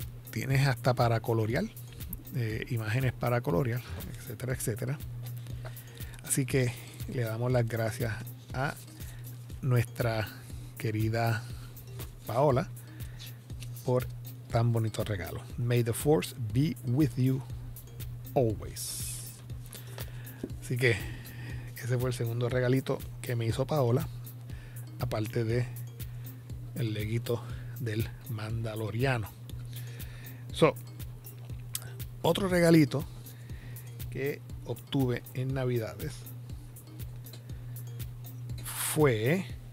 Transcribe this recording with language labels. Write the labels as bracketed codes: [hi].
[es] Tienes hasta para colorear, imágenes para colorear, etcétera, etcétera. Así que le damos las gracias a nuestra querida Paola por tan bonito regalo. [en] May the force be with you always. [es] Así que ese fue el segundo regalito que me hizo Paola, aparte de el leguito del Mandaloriano. So, otro regalito que obtuve en Navidades fue...